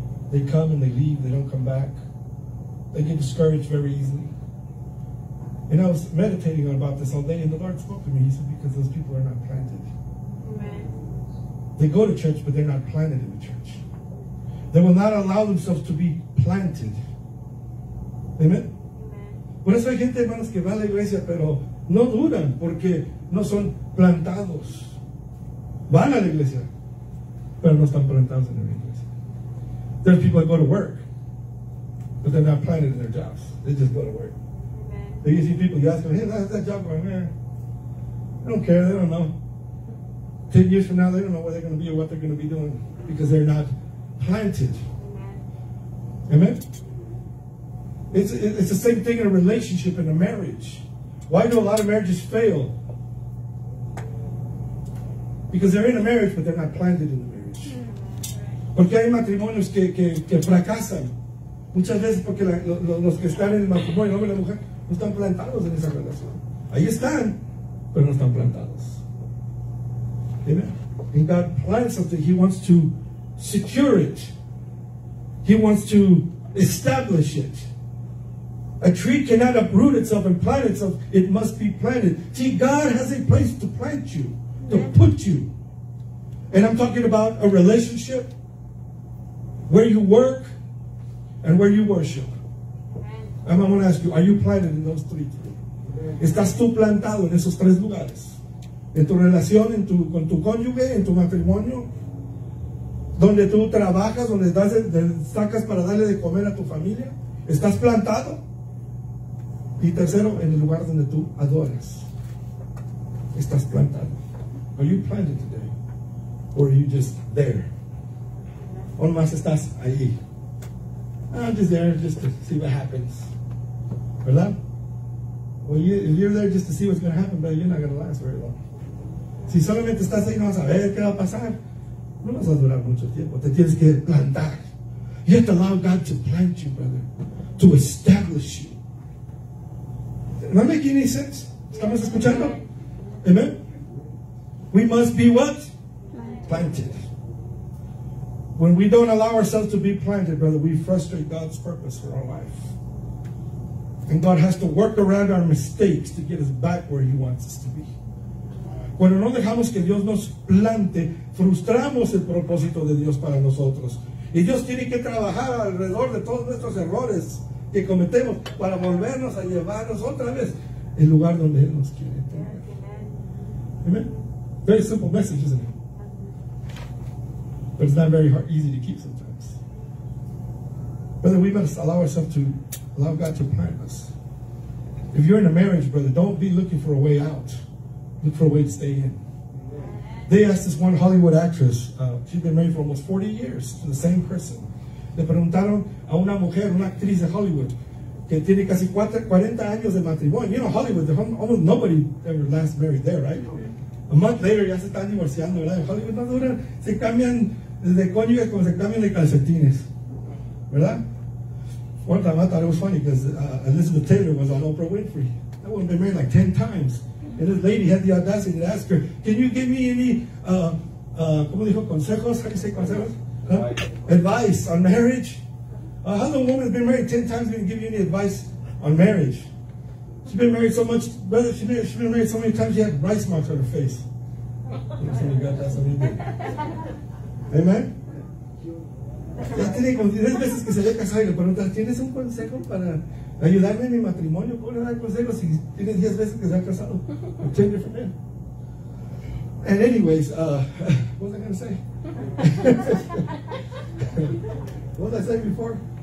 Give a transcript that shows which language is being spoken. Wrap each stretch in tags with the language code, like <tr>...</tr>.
<en>They come and they leave, they don't come back. They get discouraged very easily. And I was meditating on about this all day, and the Lord spoke to me. He said, because those people are not planted. Amen. They go to church, but they're not planted in the church. They will not allow themselves to be planted. Amen? Amen.</en> <es>Por eso hay gente, hermanos, que va a la iglesia, pero no duran porque no son plantados. Van a la iglesia, pero no están plantados en la iglesia.</es> <en>There are people that go to work, but they're not planted in their jobs. They just go to work. Amen. You see people, you ask them, hey, how's that job going? Man, they don't care. They don't know. 10 years from now, they don't know where they're going to be or what they're going to be doing because they're not planted. Amen. Amen? It's the same thing in a relationship, in a marriage. Why do a lot of marriages fail? Because they're in a marriage, but they're not planted in the marriage.</en> <es>Porque hay matrimonios que fracasan. Muchas veces porque los que están en el matrimonio, el hombre y la mujer, no están plantados en esa relación. Ahí están, pero no están plantados. Amen.</es> <en>And God plants something. He wants to secure it. He wants to establish it. A tree cannot uproot itself and plant itself. It must be planted. See, God has a place to plant you, to put you. And I'm talking about a relationship where you work and where you worship. I'm going to ask you, are you planted in those three today?</en> <es>¿Estás tú plantado en esos tres lugares? ¿En tu relación, con tu cónyuge, en tu matrimonio? ¿Donde tú trabajas, donde sacas para darle de comer a tu familia? ¿Estás plantado? Y tercero, en el lugar donde tú adoras. ¿Estás plantado?</es> <en>¿Are you planted today? ¿O are you just there?</en> <es>¿O más estás ahí?</es> <en>I'm just there just to see what happens.</en> <es>¿Verdad?</es> <en>Well, if you're there just to see what's going to happen, but you're not going to last very long.</en> <es>Si solamente estás ahí, no vas a ver qué va a pasar. No vas a durar mucho tiempo. Te tienes que plantar.</es> <en>You have to allow God to plant you, brother. To establish you. ¿No me tiene sense?</en> <es>¿Estamos escuchando?</es> <en>Amen. We must be what? Planted. When we don't allow ourselves to be planted, brother, we frustrate God's purpose for our life. And God has to work around our mistakes to get us back where he wants us to be.</en> <es>Cuando no dejamos que Dios nos plante, frustramos el propósito de Dios para nosotros. Y Dios tiene que trabajar alrededor de todos nuestros errores que cometemos para volvernos a llevarnos otra vez el lugar donde Él nos quiere tener. Amen.</es> <en>Amen. Very simple message, isn't it? But it's not very hard, easy to keep sometimes. Brother, we must allow ourselves to allow God to plant us. If you're in a marriage, brother, don't be looking for a way out. Look for a way to stay in. They asked this one Hollywood actress, she'd been married for almost 40 years to the same person.</en> <es>Le preguntaron a una mujer, una actriz de Hollywood, que tiene casi 40 años de matrimonio.</es> <en>You know, Hollywood, almost nobody ever last married there, right? A month later,</en> <es>ya se están divorciando, ¿verdad? En Hollywood no duran, se cambian de cónyuge con examen de calcetines, ¿verdad?</es> <en>One time I thought it was funny because Elizabeth Taylor was on Oprah Winfrey. That woman been married like 10 times. And this lady had the audacity to ask her, can you give me any,</en> <es>¿cómo dijo?</es> <en>¿Consejos? How do you say consejos? Huh? Advice on marriage. How the woman has been married 10 times can give you any advice on marriage? She's been married so much, brother, she's been married so many times she had rice marks on her face. Amen.</en> <es>Ya tiene como 10 veces que se había casado y le pregunta, ¿tienes un consejo para ayudarme en mi matrimonio? ¿Cómo le da el consejo si tiene 10 veces que se ha casado?</es> <en>Change it from there. And anyways, what was I going to say? What was I saying before?</en>